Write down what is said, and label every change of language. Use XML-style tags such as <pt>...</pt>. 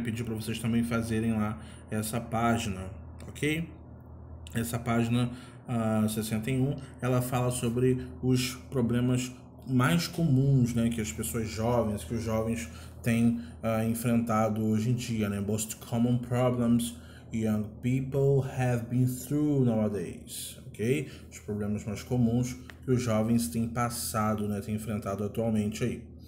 <pt>Pedir para vocês também fazerem lá essa página, ok? Essa página 61, ela fala sobre os problemas mais comuns, né, que as pessoas jovens, que os jovens têm enfrentado hoje em dia, né?</pt> <en>Most common problems young people have been through nowadays, ok?</en> <pt>Os problemas mais comuns que os jovens têm passado, né, têm enfrentado atualmente aí.</pt>